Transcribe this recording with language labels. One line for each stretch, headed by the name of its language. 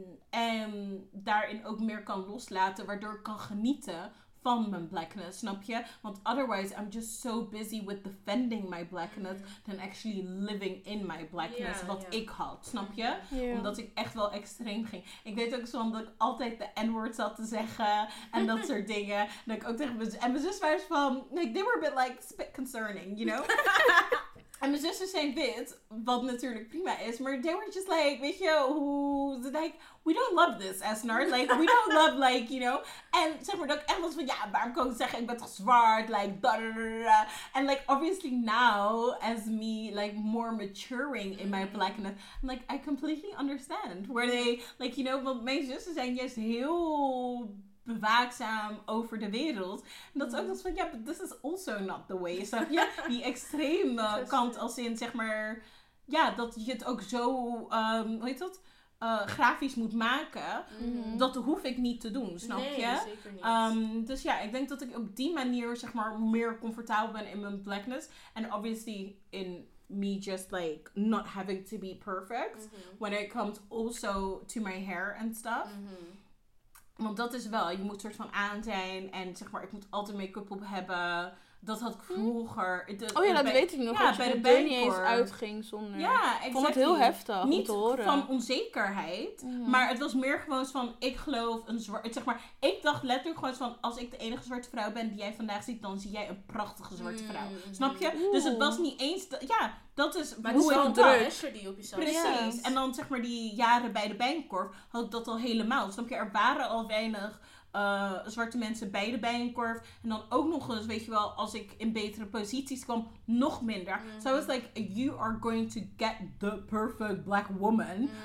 Dutch: En daarin ook meer kan loslaten, waardoor ik kan genieten van mijn blackness, snap je?
English: Want otherwise, I'm just so busy with defending my blackness than actually living in my blackness, yeah, wat yeah.
Dutch: ik had, snap je? Yeah. Omdat ik echt wel extreem ging. Ik weet ook zo dat ik altijd de N-word zat te zeggen en dat soort dingen. Dat ik ook tegen mijn zus, en mijn zus was van, like,
English: they were a bit like, it's a bit concerning, you know?
Dutch: En mijn zussen zijn wit, wat natuurlijk prima is, maar
English: they were just like,
Dutch: weet je, hoe,
English: like, we don't love this,
Dutch: Esnar.
English: Like, we don't love, like, you know.
Dutch: En zeg maar, dat ik echt was van, ja, waarom kan ik zeggen, ik ben toch zwart, like, da-da-da-da.
English: En, like, obviously now, as me, like, more maturing in my blackness, I'm like, I completely understand. Where they, like, you know,
Dutch: want mijn zussen zijn juist heel bewaakzaam over de wereld. En dat is ook dat van, ja,
English: yeah, but this is also not the way.
Dutch: So, yeah, die extreme kant als in, zeg maar, ja, dat je het ook zo, hoe heet dat, grafisch moet maken, dat hoef ik niet te doen, snap nee, je? Zeker niet. Dus ja, ik denk dat ik op die manier, zeg maar, meer comfortabel ben in mijn blackness.
English: En obviously in me just like not having to be perfect when it comes also to my hair and stuff.
Dutch: Want dat is wel, je moet soort van aan zijn en zeg maar, ik moet altijd make-up op hebben. Dat had ik vroeger. Oh ja, dat weet ik nog. Ja, bij de band niet eens uitging zonder. Ja, ik vond het heel heftig om te horen. Niet van onzekerheid, maar het was meer gewoon van, ik geloof een zwart, zeg maar, ik dacht letterlijk gewoon van, als ik de enige zwarte vrouw ben die jij vandaag ziet, dan zie jij een prachtige zwarte vrouw. Snap je? Oeh. Dus het was niet eens, ja. Dat is maar hoe het is wel druk. Pressure die op jezelf. Precies. En dan zeg maar die jaren bij de Bijenkorf had ik dat al helemaal. Snap je, er waren al weinig zwarte mensen bij de Bijenkorf. En dan ook nog eens, weet je wel, als ik in betere posities kwam, nog minder.
English: So I was like, you are going to get the perfect black woman.